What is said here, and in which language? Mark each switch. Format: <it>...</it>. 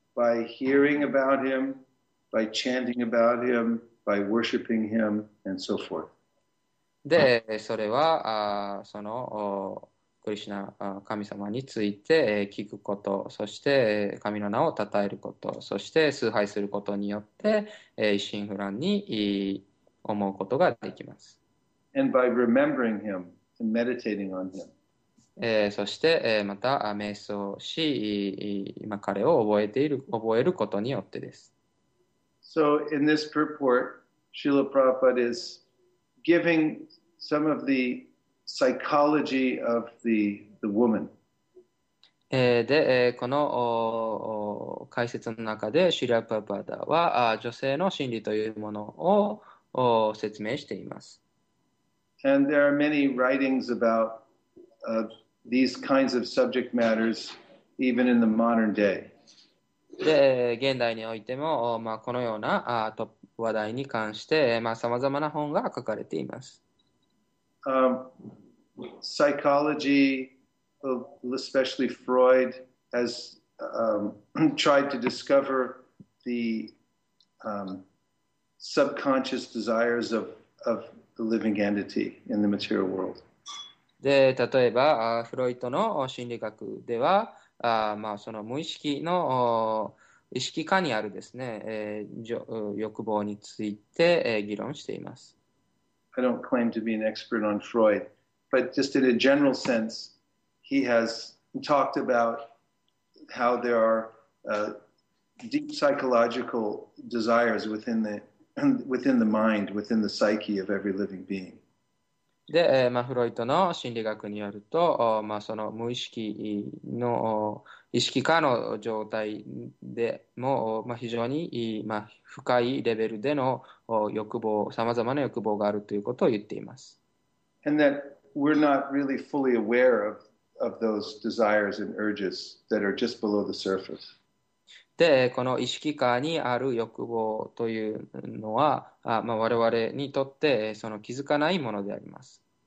<en>By hearing about him, by chanting about him, by worshiping him, and so forth.</en> <ja>で、それは、そのクリシナ、神様について聞くこと、そして神の名を称えること、そして崇拝することによって、一心不乱に思うことができます。</ja> <en>And by remembering him and meditating on him.</en> <ja>そして、また、瞑想し、今彼を覚えることによってです。</ja> <en>So, in this purport, Srila Prabhupada is giving some of the psychology of the woman.</en> <ja>で、この解説の中で、シュリア・プラパダは、女性の心理というものを説明しています。</ja> <en>And there are many writings about these kinds of subject matters, even in the modern day.</en> <ja>で、現代においても、まあ、このような、話題に関して、まあ、様々な本が書かれています。</ja> <en>Psychology, especially Freud, has tried to discover the subconscious desires of the living entity in the material world.</en> <ja>で、例えば、フロイトの心理学では、まあ、その無意識の意識下にあるですね、欲望について議論しています。</ja> <en>I don't claim to be an expert on Freud, but just in a general sense, he has talked about how there are deep psychological desires within the mind, within the psyche of every living being.</en> <ja>で、まあ、フロイトの心理学によると、まあ、その無意識の意識下の状態でも、まあ、非常に、まあ、深いレベルでの欲望、様々な欲望があるということを言っています。</ja> <en>And that we're not really fully aware of those desires and urges that are just below the surface.</en> <ja>で、この意識下にある欲望というのは、まあ、我々にとってその気づかないものであります。</ja>